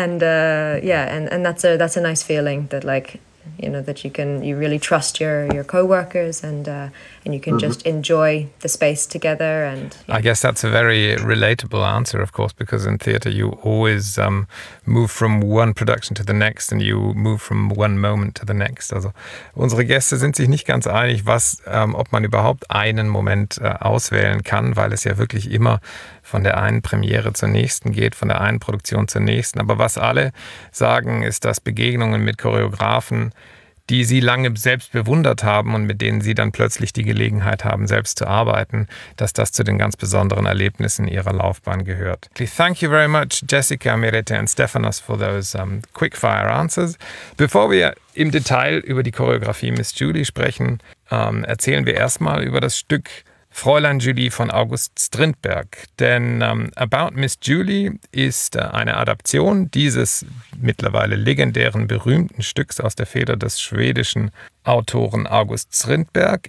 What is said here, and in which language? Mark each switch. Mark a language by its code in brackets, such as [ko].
[en] and that's a nice feeling that like, you know, that you really trust your co-workers and you can just enjoy the space together. And yeah. I guess that's a very relatable answer, of course, because in theatre you always move from one production to the next and you move from one moment to the next. [de] Also unsere Gäste sind sich nicht ganz einig, was ob man überhaupt einen Moment auswählen kann, weil es ja wirklich immer von der einen Premiere zur nächsten geht, von der einen Produktion zur nächsten. Aber was alle sagen, ist, dass Begegnungen mit Choreografen, die sie lange selbst bewundert haben und mit denen sie dann plötzlich die Gelegenheit haben, selbst zu arbeiten, dass das zu den ganz besonderen Erlebnissen ihrer Laufbahn gehört. [en] Thank you very much, Jessica, Merete and Stefanos, for those quickfire answers. [de] Bevor wir im Detail über die Choreografie Miss Julie sprechen, erzählen wir erstmal über das Stück Fräulein Julie von August Strindberg. Denn About Miss Julie ist eine Adaption dieses mittlerweile legendären, berühmten Stücks aus der Feder des schwedischen Autoren August Strindberg.